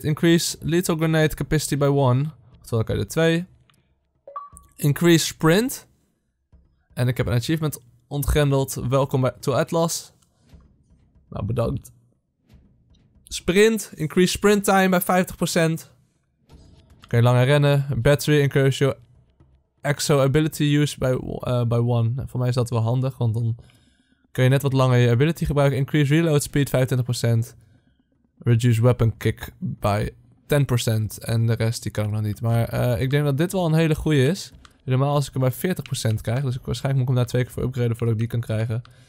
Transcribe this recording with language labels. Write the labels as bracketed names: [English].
[English] Increase lethal grenade capacity by 1. [Dutch] Oftewel, oké, de 2. [English] Increase sprint. [Dutch] En ik heb een achievement ontgrendeld. [English] Welcome to Atlas. [Dutch] Nou, bedankt. Sprint. [English] Increase sprint time bij 50%. [Dutch] Oké, langer rennen. [English] Battery increase your exo ability use by 1. [Dutch] Voor mij is dat wel handig, want dan kun je net wat langer je ability gebruiken. [English] Increase reload speed 25%. Reduce weapon kick by 10%. [Dutch] En de rest die kan ik nog niet. Maar ik denk dat dit wel een hele goeie is. Normaal als ik hem bij 40% krijg. Dus waarschijnlijk moet ik hem daar 2 keer voor upgraden voordat ik die kan krijgen.